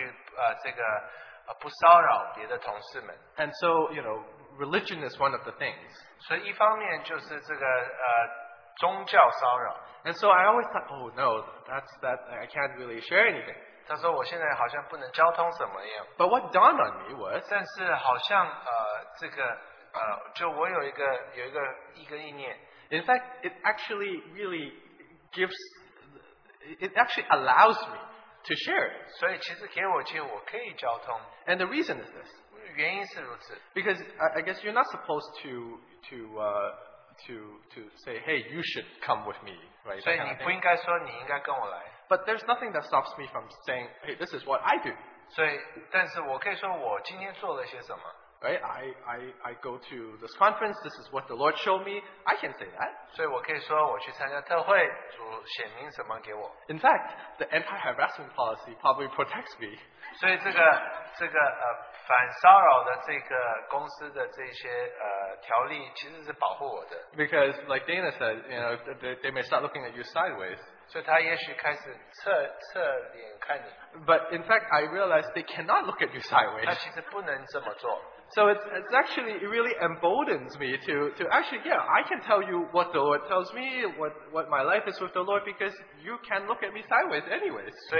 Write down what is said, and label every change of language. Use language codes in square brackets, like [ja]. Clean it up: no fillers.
[zh] 所以在公司你需要受训，就是你要怎么样去不骚扰别的同事们。 [en] And so, you know, religion is one of the things. [zh] 所以一方面就是这个宗教骚扰。 [en] And so I always thought, oh no, that's that I can't really share anything. [zh] 他说我现在好像不能交通什么样。 [en] But what dawned on me was, [zh] 但是好像这个就我有一个意念。 [en] In fact, it actually really gives, it actually allows me to share it. [zh] 所以其实给我机会，我可以交通。 [en] And the reason is this. [zh] 原因是如此。 [en] Because I guess you're not supposed to say, hey, you should come with me. Right, [zh] 所以你不应该说你应该跟我来。 [en] But there's nothing that stops me from saying, hey, this is what I do. [zh] 所以，但是我可以说我今天做了些什么。 [en] Right, I go to this conference, this is what the Lord showed me, I can say that. [zh] 所以我可以说我去参加特会，主显明什么给我。 [en] In fact, the anti-harassment policy probably protects me. [zh] 所以这个反骚扰的这个公司的这些条例其实是保护我的。 [en] Because like Dana said, you know, they may start looking at you sideways. [zh] 所以他也许开始侧脸看你。 [en] But in fact, I realized they cannot look at you sideways. [zh] 他其实不能这么做。 [en] So it's actually, it really emboldens me to actually, yeah, I can tell you what the Lord tells me, what my life is with the Lord, because you can look at me sideways anyways.